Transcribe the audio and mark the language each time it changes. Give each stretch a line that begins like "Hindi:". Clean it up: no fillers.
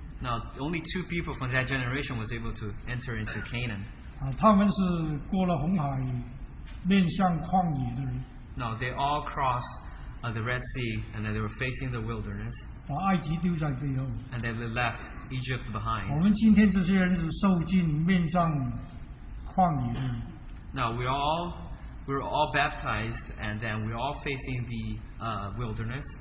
English: Now, only two people from that generation was able to enter into Canaan.
Chinese: 他们是过了红海，面向旷野的人。
English: No, they all crossed the Red Sea, and then they were facing the wilderness.
Chinese: 把埃及丢在背后。
English: And then they left Egypt behind.
Chinese: 我们今天这些人是受尽面向旷野的人。
English: Now, we're all baptized, and then we're all facing the wilderness.